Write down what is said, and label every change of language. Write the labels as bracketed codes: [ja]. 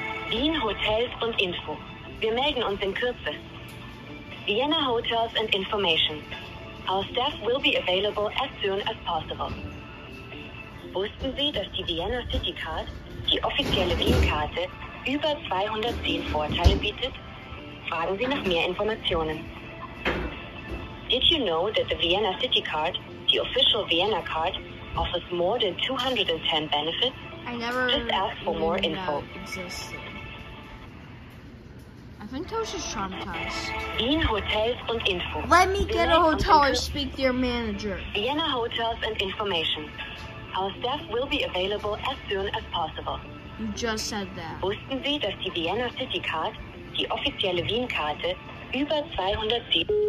[de] Wien Hotels und Info. Wir melden uns in Kürze. [en] Vienna Hotels and Information. Our staff will be available as soon as possible. [de] Wussten Sie, dass die Vienna City Card, die offizielle Wien-Karte, über 210 Vorteile bietet? Fragen Sie nach mehr Informationen. [en] Did you know that the Vienna City Card, the official Vienna card, offers more than 210 benefits? I never just ask for more info. I think Tosh is traumatized. [de] Wien Hotels und Info. [en] Let me get a hotel and speak to your manager. Vienna Hotels and Information. Our staff will be available as soon as possible. You just said that. [de] Wussten Sie, dass die Vienna City Card, die offizielle Wien-Karte, über 210...